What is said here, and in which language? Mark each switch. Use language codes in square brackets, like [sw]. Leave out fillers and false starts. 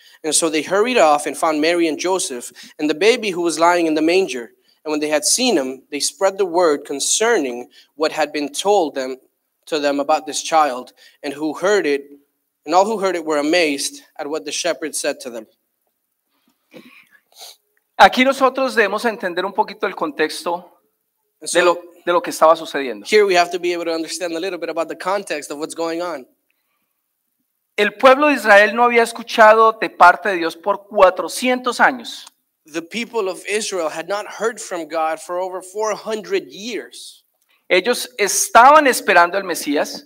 [en] And so they hurried off and found Mary and Joseph and the baby who was lying in the manger. And when they had seen him, they spread the word concerning what had been told them to them about this child, and who heard it, and all who heard it were amazed at what the shepherds said to them." [es] Aquí nosotros debemos entender un poquito el contexto de lo que estaba sucediendo. [en] Here we have to be able to understand a little bit about the context of what's going on. [es] El pueblo de Israel no había escuchado de parte de Dios por 400 años. [en] The people of Israel had not heard from God for over 400 years. [es] Ellos estaban esperando el Mesías.